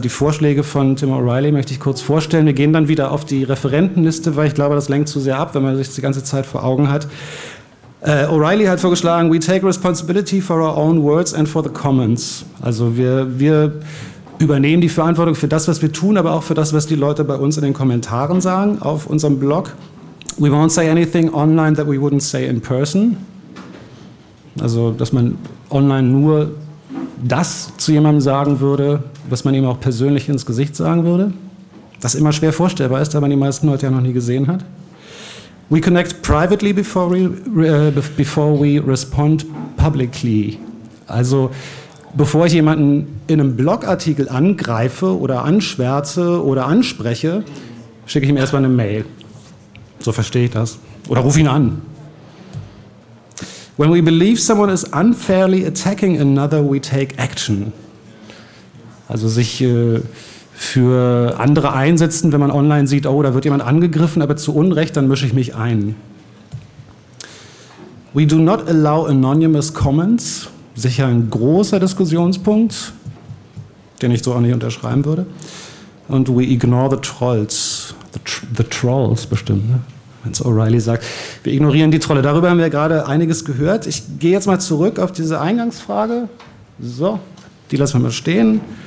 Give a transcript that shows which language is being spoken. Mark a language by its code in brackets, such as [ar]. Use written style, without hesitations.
[de] die Vorschläge von Tim O'Reilly möchte ich kurz vorstellen. Wir gehen dann wieder auf die Referentenliste, weil ich glaube, das lenkt zu sehr ab, wenn man sich das die ganze Zeit vor Augen hat. O'Reilly hat vorgeschlagen, [en] we take responsibility for our own words and for the comments. [de] Also wir übernehmen die Verantwortung für das, was wir tun, aber auch für das, was die Leute bei uns in den Kommentaren sagen auf unserem Blog. [en] We won't say anything online that we wouldn't say in person. [de] Also, dass man online nur das zu jemandem sagen würde, was man ihm auch persönlich ins Gesicht sagen würde. Das immer schwer vorstellbar ist, da man die meisten Leute ja noch nie gesehen hat. [en] We connect privately before we respond publicly. [de] Also, bevor ich jemanden in einem Blogartikel angreife oder anschwärze oder anspreche, schicke ich ihm erstmal eine Mail. So verstehe ich das. Oder rufe ihn an. [en] When we believe someone is unfairly attacking another, we take action. [de] Also sich für andere einsetzen, wenn man online sieht, oh, da wird jemand angegriffen, aber zu Unrecht, dann mische ich mich ein. [en] We do not allow anonymous comments. [de] Sicher ein großer Diskussionspunkt, den ich so auch nicht unterschreiben würde. Und [en] we ignore the trolls. The trolls [de] bestimmt, ne? Wenn es O'Reilly sagt. Wir ignorieren die Trolle. Darüber haben wir gerade einiges gehört. Ich gehe jetzt mal zurück auf diese Eingangsfrage. So, die lassen wir mal stehen.